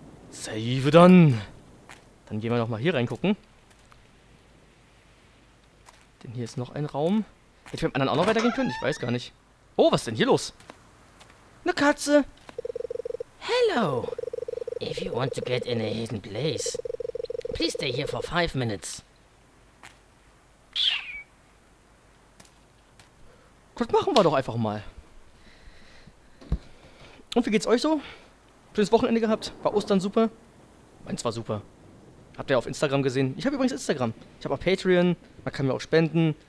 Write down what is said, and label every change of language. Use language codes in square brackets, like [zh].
[de] Save dann. Dann gehen wir nochmal hier reingucken. Denn hier ist noch ein Raum. Hätte ich mit anderen auch noch weitergehen können? Ich weiß gar nicht. Oh, was ist denn hier los? Eine Katze. [en] Hello. If you want to get in a hidden place, please stay here for 5 minutes. [de] Gut, machen wir doch einfach mal. Und wie geht's euch so? Schönes Wochenende gehabt? War Ostern super? Meins war super. Habt ihr auf Instagram gesehen? Ich habe übrigens Instagram. Ich habe auch Patreon. Man kann mir auch spenden.